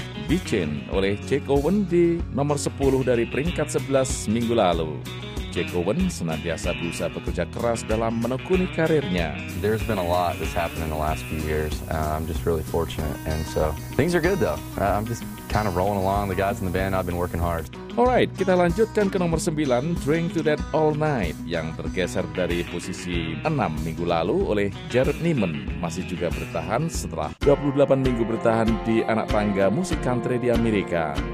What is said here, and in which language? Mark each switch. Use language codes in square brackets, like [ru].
[id] Beachin oleh Jake Owen di nomor 10 dari peringkat 11 minggu lalu. Jake Owen senantiasa berusaha bekerja keras dalam menekuni karirnya. [en] There's been a lot that's happened in the last few years. I'm just really fortunate, and so things are good though. I'm just kind of rolling along. The guys in the band, I've been working hard. [id] Alright, kita lanjutkan ke nomor 9, Drink to That All Night, yang tergeser dari posisi 6 minggu lalu oleh Jared Neiman, masih juga bertahan setelah 28 minggu bertahan di anak tangga musik country di Amerika.